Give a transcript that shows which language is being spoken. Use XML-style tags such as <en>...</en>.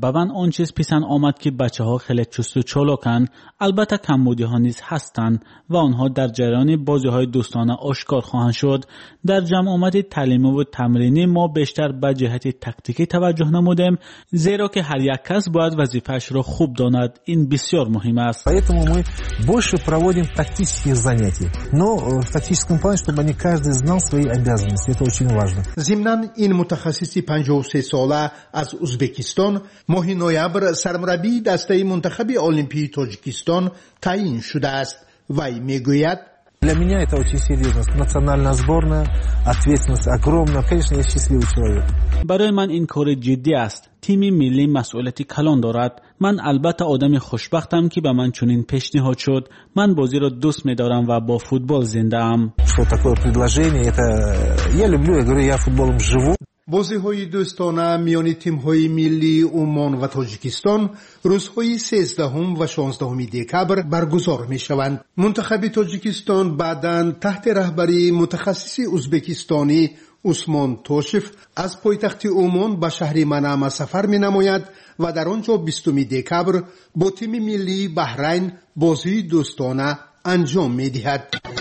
<tg>به من اون چیز پسند آمد که بچه‌ها خیلی چست و چالاکند. البته کمبودی‌ها نیز هستند و آنها در جریان بازی‌های دوستانه آشکار خواهند شد. در جمع آمد تعلیمی و تمرینی ما بیشتر به جهت تاکتیکی توجه نمودیم، زیرا که هر یک کس باید وظیفه‌اش را خوب داند. این بسیار مهم است.</tg> <ru>поэтому мы больше проводим тактические занятия. Но в тактическом плане, чтобы они каждый знал свои обязанности. Это очень важно.</ru> <tg>زمنان این متخصصی 53 ساله از ازبکستان ماه نوامبر سرمربی دسته منتخب المپیک تاجیکستان تعیین شده است. وی میگوید:</tg> <ru>для меня это очень серьёзно. Национальная сборная, ответственность огромная. Конечно, я счастливый человек.</ru> <tg>برای من این کار جدی است. تیم ملی مسئولیتی کلان دارد. من البته آدم خوشبختم که به من چنین پیشنهاد شد. من بازی را دوست می‌دارم و با فوتبال زنده ام.</tg> <ru>Что такое предложение? Это я люблю, я говорю, я футболом живу.</ru> <tg>بازی‌های دوستانه میان تیم‌های ملی عمان و تاجیکستان روزهای 13 و 16 دکبر برگزار می‌شوند. منتخب تاجیکستان بعداً تحت رهبری متخصص ازبکستانی عثمان توشف از پایتخت عمان به شهر منام سفر می‌نماید و در آنجا 20 دکبر با تیم ملی بحرین بازی دوستانه انجام می‌دهد.</tg>